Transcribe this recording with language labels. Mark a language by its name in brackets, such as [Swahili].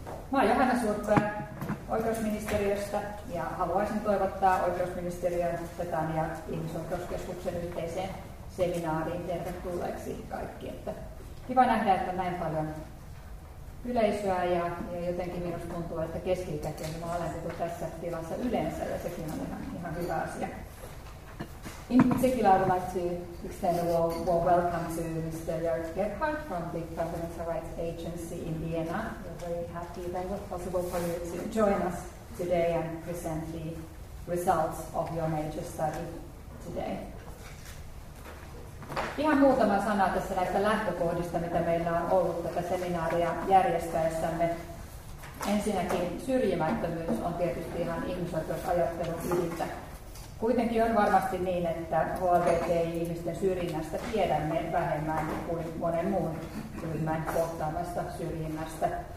[Finnish] Mä oon Johanna Suurpää oikeusministeriöstä ja haluaisin toivottaa oikeusministeriön Tetan ja ihmisoikeuskeskuksen yhteiseen seminaariin tervetulleeksi kaikki. Että kiva nähdä, että näin paljon yleisöä ja jotenkin minusta tuntuu, että keski-ikäkin mä olen tässä tilassa yleensä ja sekin on ihan hyvä asia. [English] In particular, I would like to extend a warm welcome to Mr. Jörg Gebhardt from the Fundamental Rights Agency in Vienna. We're very happy that it was possible for you to join us today and present the results of your major study today. [Finnish] Ihan muutama sana tässä näistä lähtökohdista, mitä meillä on ollut tätä seminaaria järjestäessämme. Ensinnäkin syrjimättömyys on tietysti ihan ihmisoikeusajattelun ydintä. Kuitenkin on varmasti niin, että HBTI-ihmisten syrjinnästä tiedämme vähemmän kuin monen muun ryhmän kohtaamasta syrjinnästä.